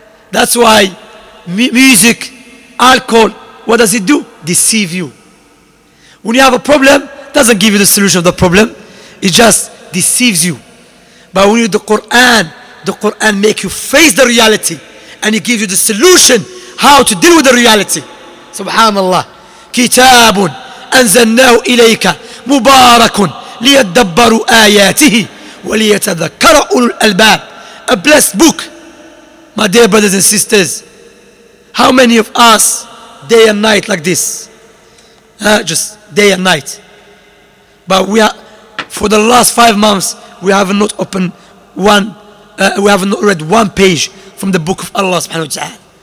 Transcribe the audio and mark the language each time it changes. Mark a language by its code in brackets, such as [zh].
[en] That's why music, alcohol, what does it do? Deceive you. When you have a problem, it doesn't give you the solution of the problem. It just deceives you. But when you do the Quran makes you face the reality and it gives you the solution how to deal with the reality. [ar] Subhanallah. Kitabun. أنزلناه إليك مبارك ليتدبروا آياته وليتذكر أولو الألباب. [en] A blessed book, my dear brothers and sisters. How many of us day and night like this? Just day and night. But we are, for the last 5 months, we have not opened we have not read one page from the book of Allah subhanahu wa ta'ala.